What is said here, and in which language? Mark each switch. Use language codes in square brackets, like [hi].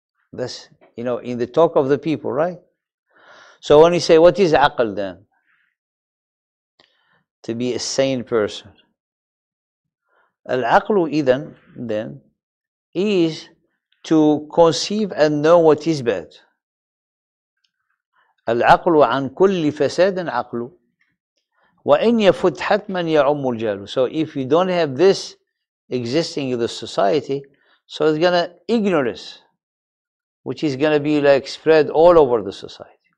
[en] That's, you know, in the talk of the people, right? So when you say, what is aql then? To be a sane person. [ar] Al-aql idhan [en] then is to conceive and know what is bad. [ar] العقل عن كل فساد عقل وإن يفت حتما يعم الجهل. [en] So if you don't have this existing in the society, so it's gonna ignorance, which is gonna be like spread all over the society.